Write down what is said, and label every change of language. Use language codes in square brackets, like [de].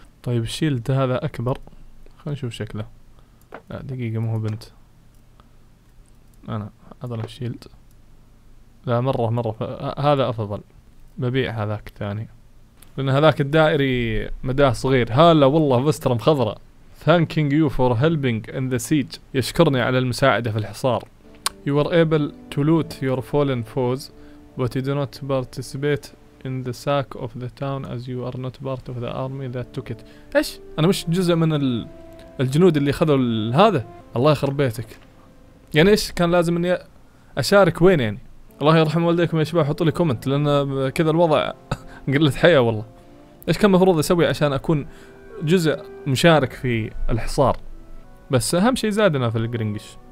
[ar] طيب الشيلد هذا اكبر خلينا نشوف شكله. لا دقيقة مو بنت انا اظل الشيلد. لا مرة مرة هذا افضل. ببيع هذاك الثاني لان هذاك الدائري مداه صغير. هلا والله فسترم خضرة. [en] Thanking you for helping in the siege. [ar] يشكرني على المساعدة في الحصار. [en] You are able to loot your fallen foes, but you do not participate in the sack of the town as you are not part of the army that took it. [ar] إيش؟ أنا مش جزء من الجنود اللي خذوا هذا. الله يخرب بيتك. يعني إيش كان لازم إني أشارك وين يعني؟ الله يرحم والديكم يا شباب. حطوا لي كومنت لأن كذا الوضع قلة حياة والله. إيش كان مفروض أسوي عشان أكون جزء مشارك في الحصار؟ بس اهم شيء زادنا في القرنقش.